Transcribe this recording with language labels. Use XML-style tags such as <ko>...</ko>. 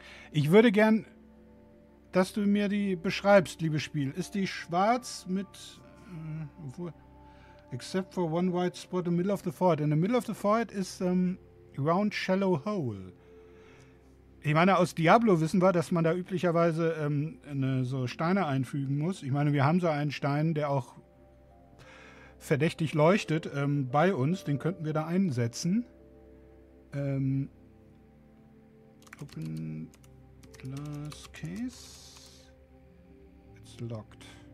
<de>Ich würde gern, dass du mir die beschreibst, liebes Spiel. Ist die schwarz mit.</de> <en>Except for one white spot in the middle of the forehead. In the middle of the forehead is a round shallow hole.</en> <de>Ich meine, aus Diablo wissen wir, dass man da üblicherweise so Steine einfügen muss. Ich meine, wir haben so einen Stein, der auch verdächtig leuchtet bei uns. Den könnten wir da einsetzen.</de> <en>Open glass case. It's locked.</en>